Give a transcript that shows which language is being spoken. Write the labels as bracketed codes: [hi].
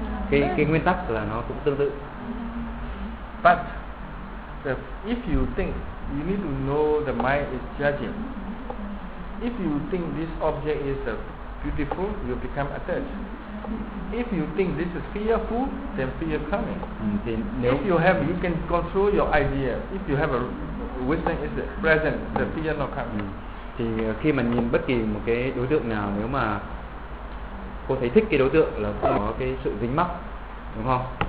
[vi] Thì cái nguyên tắc là nó cũng tương tự. [en] But if you think you need to know the mind is judging. If you think this object is beautiful, you become attached. If you think this is fearful, then fear coming. If you have, you can control your idea. If you have a wisdom is present, the fear not coming. [vi] Thì khi mà nhìn bất kỳ một cái đối tượng nào, nếu mà cô thấy thích cái đối tượng là không có cái sự dính mắc, đúng không?